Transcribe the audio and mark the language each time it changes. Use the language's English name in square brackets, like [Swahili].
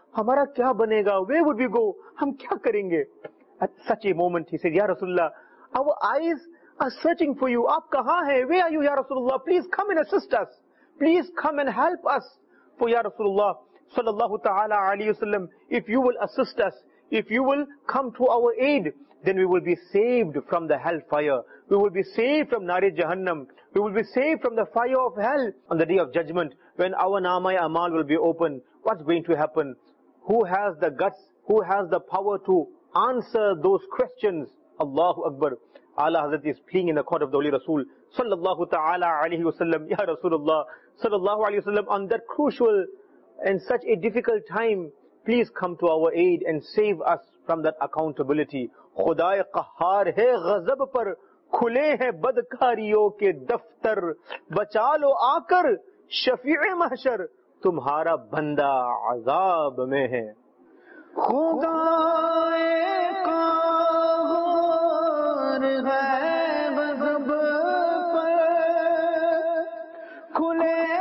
[Urdu] ہمارا کیا بنے گا, [English] where would we go, [Urdu] ہم کیا کریں گے. [English] At such a moment he said, یا رسول اللہ, our eyes are searching for you, [Urdu] آپ کہاں ہیں, [English] where are you یا رسول اللہ, please come and assist us, please come and help us. For یا رسول اللہ صلی اللہ تعالی علیہ وسلم, if you will assist us, if you will come to our aid, then we will be saved from the hellfire. We will be saved from Nari Jahannam. We will be saved from the fire of hell on the day of judgment when our Namai Amal will be open. What's going to happen? Who has the guts? Who has the power to answer those questions? Allahu Akbar. Ala Hazrat is pleading in the court of the Holy Rasul sallallahu ta'ala alayhi wa sallam, ya Rasulullah sallallahu alayhi wa sallam, on that crucial and such a difficult time, please come to our aid and save us from that accountability. [Urdu] خدائے قہار ہے غضب پر, کھلے ہیں بدکاریوں کے دفتر, بچا لو آ کر شفیع محشر, تمہارا بندہ عذاب میں ہے. خدائے قہار ہے غضب پر, کھلے